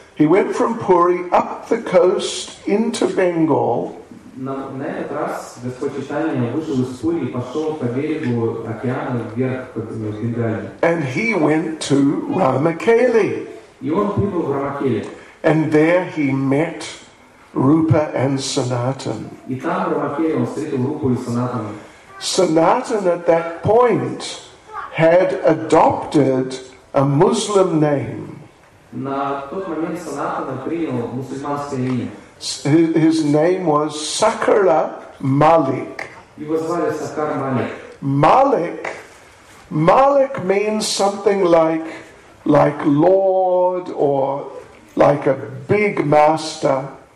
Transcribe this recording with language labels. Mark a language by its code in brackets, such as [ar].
[en] He went from Puri up the coast into Bengal. [ru] На этот раз Господь Читания вышел из Пури и пошел по берегу океана вверх к Бенгалии. [en] And he went to Ramakeli. [ru] И он прибыл в Рамакели. [en] And there he met Rupa and Sanatan. [ru] И там в Рамакели он встретил Рупу и Санатан. [en] Sanatan at that point had adopted a Muslim name. [ru] На тот момент Санатан принял мусульманское имя. [en] His name was Sakara Malik. [ru] Его звали Сакар Малик. [en] Malik means something like Lord or like a big master.